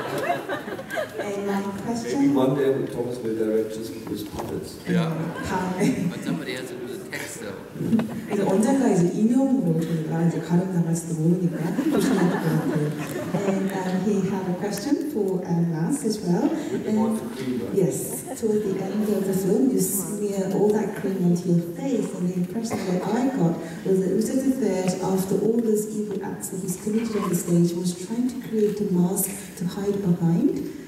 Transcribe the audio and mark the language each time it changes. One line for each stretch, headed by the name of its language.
English: Maybe one day Thomas will direct just with his puppets. Yeah. But somebody has to do the text though.
Korean: 이제 언젠가 이제 인형으로 제가 이제 가름담았을지도 모르니까 조심할 것 같아요.
English: And he had a question for Lars as well. And, yes, toward the end of the film, you smear all that cream onto your face, and the impression that I got was that RichardⅢ, after all those evil acts that he's committed on the stage, was trying to create a mask to hide behind.